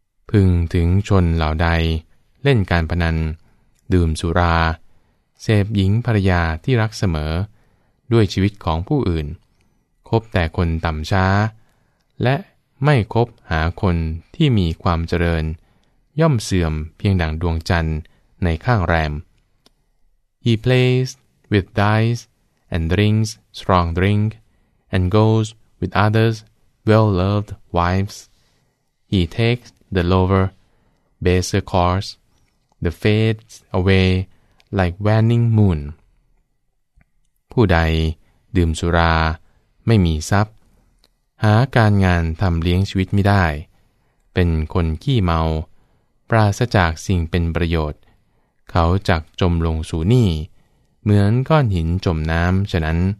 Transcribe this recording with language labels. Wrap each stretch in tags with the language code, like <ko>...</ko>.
<th>พึงถึงชนเหล่าใดเล่นการพนันดื่มสุราเสพหญิงภรรยาที่รักเสมอด้วยชีวิตของผู้อื่นคบแต่คนต่ำช้าและไม่คบหาคนที่มีความเจริญย่อมเสื่อมเพียงดั่งดวงจันทร์ในข้างแรม</th> <en>He plays with dice and drinks strong drink and goes with others well-loved wives. He takes the lower, baser course that fades away like waning moon.</en> <th>ผู้ใดดื่มสุราไม่มีทรัพย์หาการงานทำเลี้ยงชีวิตไม่ได้เป็นคนขี้เมาปราศจากสิ่งเป็นประโยชน์เขาจักจมลงสู่นี่เหมือนก้อนหินจมน้ำฉะนั้น</th>